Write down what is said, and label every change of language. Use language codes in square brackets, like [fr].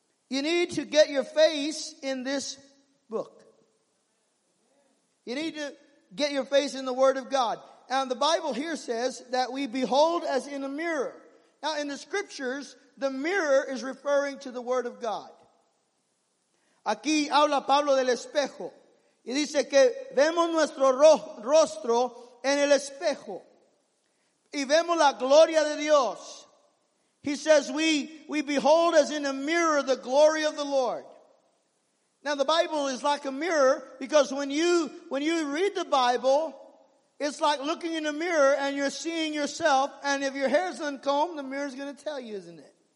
[en] You need to get your face in this book. You need to get your face in the Word of God. And the Bible here says that we behold as in a mirror. Now, in the scriptures, the mirror is referring to the Word of God. [es] Aquí habla Pablo del espejo. Y dice que vemos nuestro rostro en el espejo. Y vemos la gloria de Dios. [en] He says we behold as in a mirror the glory of the Lord. Now, the Bible is like a mirror, because when you read the Bible, it's like looking in a mirror and you're seeing yourself. And if your hair's uncombed, the mirror's going to tell you, isn't it?